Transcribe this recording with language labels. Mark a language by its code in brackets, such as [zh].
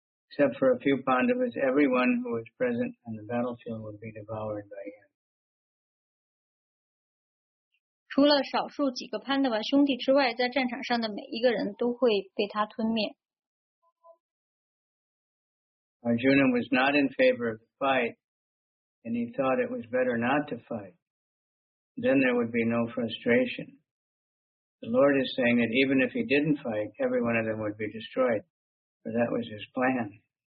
[en] Except for a few Pandavas, everyone who was present on the battlefield would be devoured by him. [zh] 除了少数几个潘德瓦兄弟之外，在战场上的每一个人都会被他吞灭。 [en] Arjuna was not in favor of the fight, and he thought it was better not to fight. Then there would be no frustration. The Lord is saying that even if he didn't fight, every one of them would be destroyed, for that was his plan.